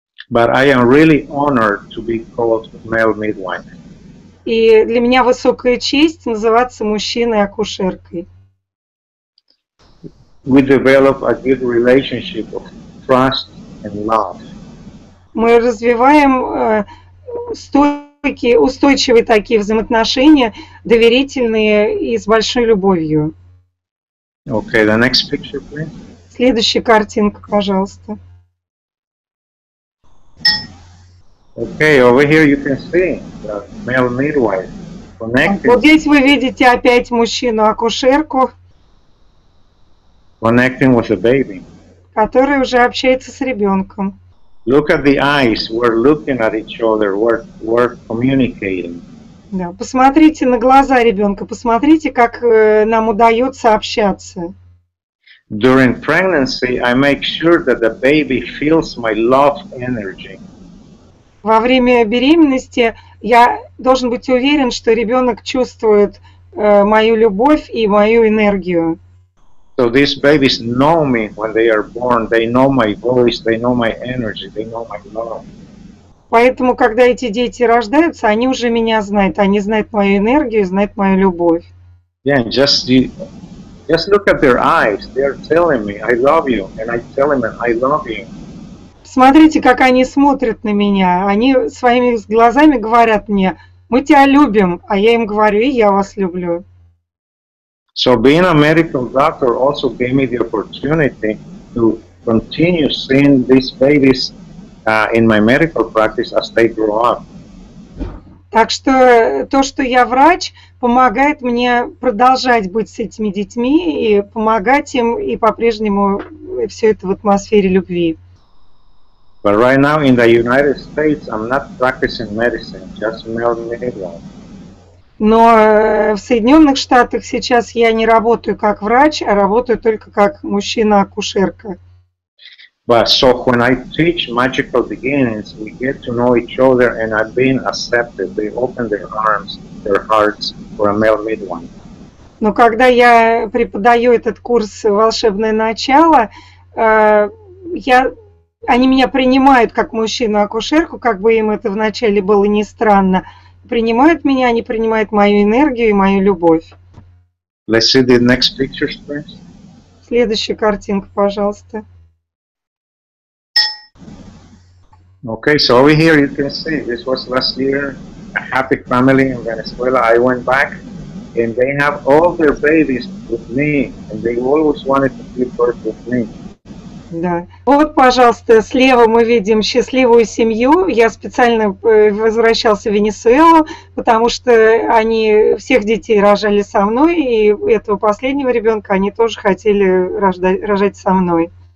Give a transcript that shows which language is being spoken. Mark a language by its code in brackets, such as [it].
[en] But I am really honored to be called male midwife. [ru] И для меня высокая честь называться мужчиной-акушеркой. [en] We develop a good relationship of trust and love. [ru] Мы развиваем стойкие, устойчивые такие взаимоотношения, доверительные и с большой любовью. [en] Okay, the next picture, please. [ru] Следующая картинка, пожалуйста. [en] Okay, over here you can see the male midwife connected. [ru] Вот здесь вы видите опять мужчину-акушерку. [en] Connecting with a baby. [ru] Который уже общается с ребенком. [en] Look at the eyes. We're looking at each other. We're communicating. [ru] Да, посмотрите на глаза ребенка. Посмотрите, как нам удается общаться. [en] During pregnancy, I make sure that the baby feels my love energy. [ru] Во время беременности я должен быть уверен, что ребенок чувствует мою любовь и мою энергию. [en] So these babies know me when they are born. They know my voice, they know my energy, they know my love. [ru] Поэтому, когда эти дети рождаются, они уже меня знают. Они знают мою энергию, знают мою любовь. [en] Yeah, just look at their eyes. They are telling me, I love you, and I tell them, I love you. [ru] Смотрите, как они смотрят на меня. Они своими глазами говорят мне, мы тебя любим, а я им говорю, и я вас люблю. [en] So being a medical doctor also gave me the opportunity to continue seeing these babies in my medical practice as they grow up. [ru] Так что то, что я врач, помогает мне продолжать быть с этими детьми и помогать им и по-прежнему все это в атмосфере любви. [en] But right now in the United States I'm not practicing medicine, just male midwife. [ru] Но в Соединенных Штатах сейчас я не работаю как врач, а работаю только как мужчина-акушерка. [en] But so when I teach magical beginnings, we get to know each other and I've been accepted. They open their arms, their hearts for a male midwife. [ru] Но когда я преподаю этот курс «Волшебное начало», они меня принимают как мужчину-акушерку, как бы им это вначале было не странно. Принимают меня, они принимают мою энергию и мою любовь. [en] Let's see the next pictures, please. [ru] Следующая картинка, пожалуйста. [en] Okay, so over here you can see, this was last year, a happy family in Venezuela. I went back, and they have all their babies with me, and they always wanted to give birth with me. [ru] Да. Вот, пожалуйста, слева мы видим счастливую семью. Я специально возвращался в Венесуэлу, потому что они всех детей рожали со мной, и этого последнего ребенка они тоже хотели рожать со мной.